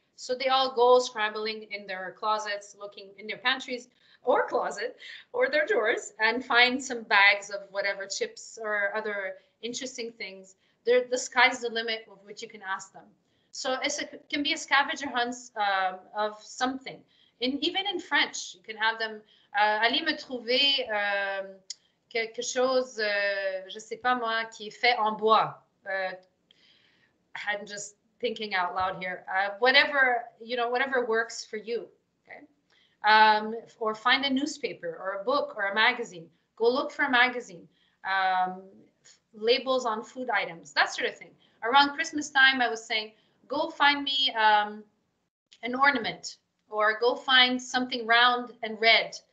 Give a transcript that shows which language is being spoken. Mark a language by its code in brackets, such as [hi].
[en] So they all go scrambling in their closets, looking in their pantries or closet or their drawers and find some bags of whatever chips or other interesting things. The sky's the limit of what you can ask them. So it can be a scavenger hunt of something. Even in French, you can have them, [fr] allez me trouver, quelque chose, je sais pas moi, qui est fait en bois. [en] I'm just thinking out loud here. Whatever works for you, okay? Or find a newspaper or a book or a magazine. Go look for a magazine. Labels on food items, that sort of thing. Around Christmas time, I was saying, go find me an ornament or go find something round and red.